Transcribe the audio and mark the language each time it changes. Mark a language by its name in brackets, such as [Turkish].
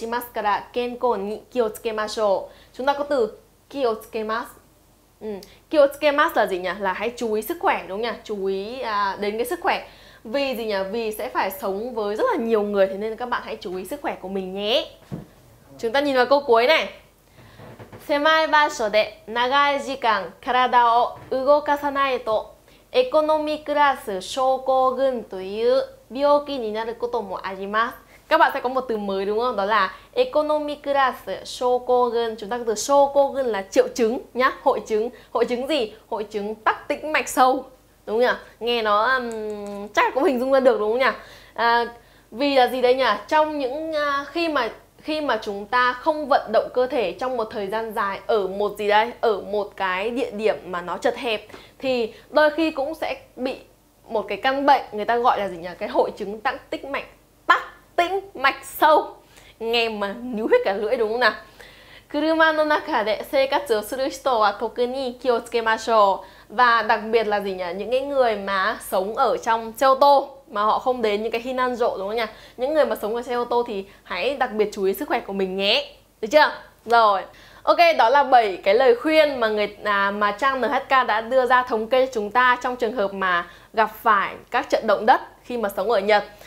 [Japanese] 大勢の人と一緒に生活をしますから健康に気をつけましょう. [Vietnamese] Chúng ta có từ 気をつけます. Kiosukemas là gì nhỉ? Là hãy chú ý sức khỏe đúng không nhỉ? Chú ý đến cái sức khỏe. Vì gì nhỉ? Vì sẽ phải sống với rất là nhiều người, thế nên các bạn hãy chú ý sức khỏe của mình nhé. Chúng ta nhìn vào câu cuối này. [Japanese] 狭い場所で長い時間体を動かさないと economy class 症候群という病気になることもあります. [Vietnamese] Các bạn sẽ có một từ mới đúng không? Đó là economy class 症候群. Chúng ta có từ 症候群 là triệu chứng nhá, hội chứng. Hội chứng gì? Hội chứng tắc tĩnh mạch sâu. Đúng không nhỉ? Nghe nó chắc cũng hình dung ra được đúng không nhỉ? Vì là gì đây nhỉ? Trong những khi mà chúng ta không vận động cơ thể trong một thời gian dài ở một gì đây? Ở một cái địa điểm mà nó chật hẹp thì đôi khi cũng sẽ bị một cái căn bệnh người ta gọi là gì nhỉ? Cái hội chứng tắc tĩnh mạch sâu. Nghe mà níu hết cả lưỡi đúng không nào? [Japanese] 車の中で生活をする人は特に気をつけましょう. [Vietnamese] Và đặc biệt là gì nhỉ? Những cái người mà sống ở trong xe ô tô mà họ không đến những cái hinanjo đúng không nhỉ? Những người mà sống ở xe ô tô thì hãy đặc biệt chú ý sức khỏe của mình nhé. Được chưa? Rồi. Ok, đó là 7 cái lời khuyên mà mà trang NHK đã đưa ra thống kê cho chúng ta trong trường hợp mà gặp phải các trận động đất khi mà sống ở Nhật.